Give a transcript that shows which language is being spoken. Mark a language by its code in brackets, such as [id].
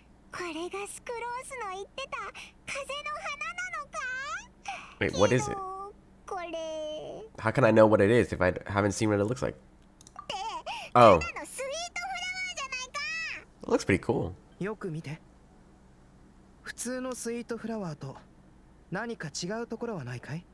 [ja] これがスクロースの言ってた風の花なのか。 [en] Wait, what is it? [ja] これ [en] How can I know what it is if I haven't seen what it looks like? [ja] って、ただのスイートフラワーじゃないか。 [en] It looks pretty cool. [ja] よく見て。普通のスイートフラワーと何か違うところはないかい。